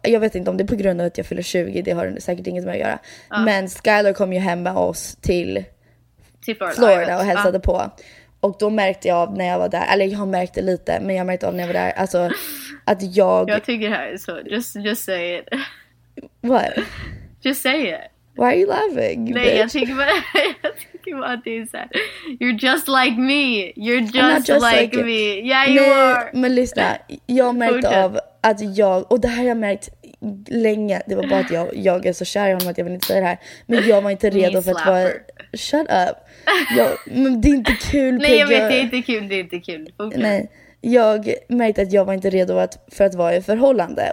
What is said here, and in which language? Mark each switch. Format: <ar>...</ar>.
<sv>Jag vet inte om det är på grund av att jag fyller 20. Det har säkert inget med att göra. Men Skylar kom ju hem med oss till Florida och hälsade på. Och då märkte jag när jag var där, eller jag märkte lite, men jag märkte av när jag var där, alltså att jag... Jag tycker det här är så,</sv> <en>just say it. What? Just say it. Why are you laughing?</en> <sv>Nej,</sv> <en>bitch?</en> <sv>jag tycker bara att det är så här.</sv> <en>You're just like me, you're just like me. Yeah, you</en> <sv>nej,</sv> <en>are.</en> <sv>Men lyssna, jag märkte av att jag, och det här har jag märkt länge. Det var bara att jag är så kär i honom att jag vill inte säga det här. Men jag var inte redo för att vara...</sv> <en>Shut up.</en> <sv>Men det är inte kul. Nej, jag vet, det är inte kul. Det är inte kul. Okay. Nej. Jag märkte att jag var inte redo för att vara i förhållande.</sv>